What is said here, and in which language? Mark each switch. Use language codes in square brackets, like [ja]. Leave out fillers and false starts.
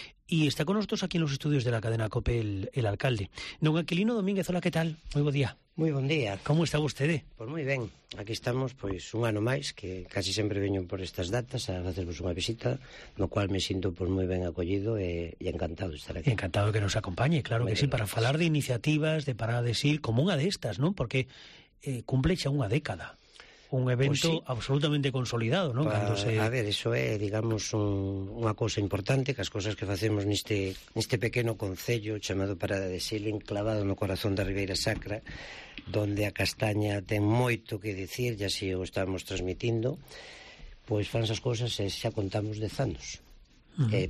[es] Y está con nosotros aquí en los estudios de la cadena COPE el alcalde. Don Aquilino Domínguez, hola, ¿qué tal? Muy buen día. Muy buen día. ¿Cómo está usted? [gl] Pues muy bien. Aquí estamos, pues, un ano máis, que casi sempre veño por estas datas a facervos unha visita, no cual me sinto, pues, moi ben acollido e encantado de estar aquí. [es] Encantado que nos acompañe, claro muy que bien, sí, para gracias. [gl] Falar de iniciativas de Parada de Sil, como unha destas, ¿no? Porque cumple xa unha década. Un evento, pues sí, absolutamente consolidado, ¿no? A ver, eso é, digamos, unha cousa importante, que as cousas que facemos neste pequeno concello chamado Parada de Sil, enclavado no corazón da Ribeira Sacra, donde a castaña ten moito que decir, ya si o estamos transmitindo, pois fan esas cousas e xa contamos 10 anos. Uh-huh.